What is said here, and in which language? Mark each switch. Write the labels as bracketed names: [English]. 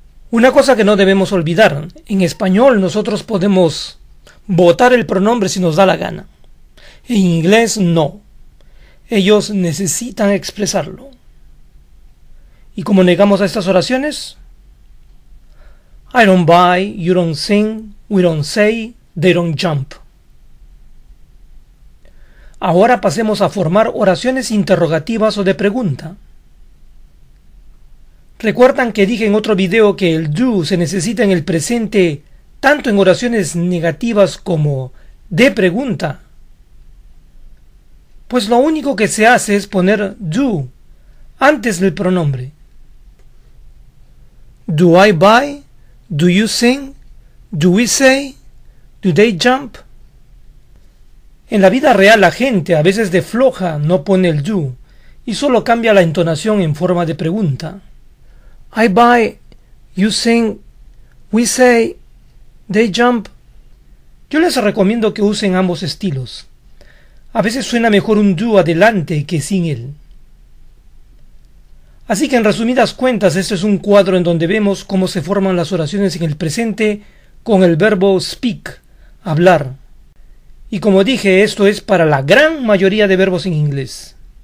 [Spanish] Una cosa que no debemos olvidar, en español nosotros podemos botar el pronombre si nos da la gana. En inglés no. Ellos necesitan expresarlo. ¿Y cómo negamos a estas oraciones? [English] I don't buy, you don't sing, we don't say, they don't jump. [Spanish] Ahora pasemos a formar oraciones interrogativas o de pregunta. ¿Recuerdan que dije en otro video que el do se necesita en el presente tanto en oraciones negativas como de pregunta? Pues lo único que se hace es poner do antes del pronombre. [English] Do I buy? Do you sing? Do we say? Do they jump? [Spanish] En la vida real, la gente, a veces de floja, no pone el do y solo cambia la entonación en forma de pregunta. [English] I buy, you sing, we say, they jump. [Spanish] Yo les recomiendo que usen ambos estilos. A veces suena mejor un do adelante que sin él. Así que en resumidas cuentas, este es un cuadro en donde vemos cómo se forman las oraciones en el presente con el verbo speak, hablar. Y como dije, esto es para la gran mayoría de verbos en inglés.